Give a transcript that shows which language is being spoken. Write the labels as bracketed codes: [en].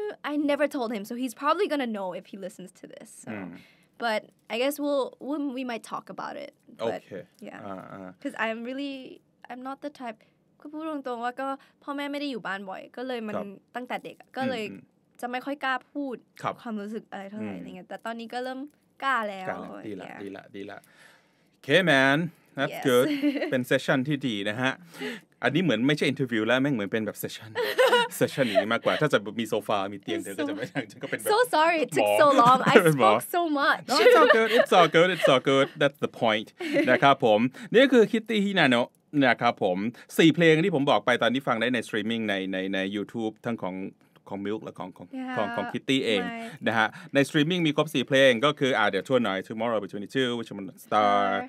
[en] I never told him so he's probably gonna know if he listens to this but I guess we might talk about it but yeah because I'm not the type [th] คือพูดตรงๆว่าก็พ่อแม่ไม่ได้อยู่บ้านบ่อยก็เลยมันตั้งแต่เด็กก็เลยจะไม่ค่อยกล้าพูดความรู้สึกอะไรเท่าไหร่อะไรเงี้ยแต่ตอนนี้ก็เริ่มกล้าแล้ว ดีละ [en] okay manThat's yes. good. [th] เป็นเซสชันที่ดีนะฮะอันนี้เหมือนไม่ใช่อินเทอร์วิวแล้วแม่งเหมือนเป็นแบบเซสชันนี้มากกว่าถ้าจะมีโซฟามีเตียงเธอก็จะไม่ใช่จะก็เป็นแบบ [en] So sorry it took so long I spoke so much No, It's all good That's the point [th] นะครับผมนี่คือคิตตี้ฮินาโนะนะครับผม4เพลงที่ผมบอกไปตอนนี้ฟังได้ในสตรีมมิ่งใน YouTube ทั้งของ ของ Milk และของ Kitty เองนะฮะในสตรีมมิ่งมีครบ4เพลงก็คืออ่ะเดี๋ยวทวนหน่อย Tomorrow Between the Two Which One Star